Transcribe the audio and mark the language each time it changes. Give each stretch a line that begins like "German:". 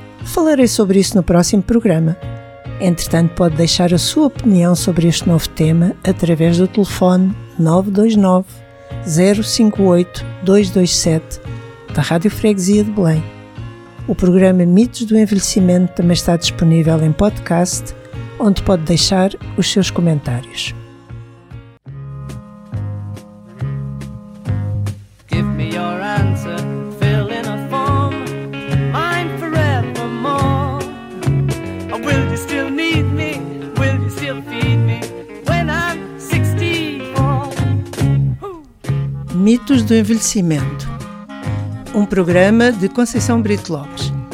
Portuguese: Falarei sobre isso no próximo programa. Entretanto, pode deixar a sua opinião sobre este novo tema através do telefone 929-058-227 da Rádio Freguesia de Belém. O programa Mitos do Envelhecimento também está disponível em podcast, onde pode deixar os seus comentários.
English: Give me your answer, fill in a form, mine forevermore. Will you still need me? Will you still feed me when I'm 64?
Portuguese: Mitos do Envelhecimento. Um programa de Conceição Brito Lopes.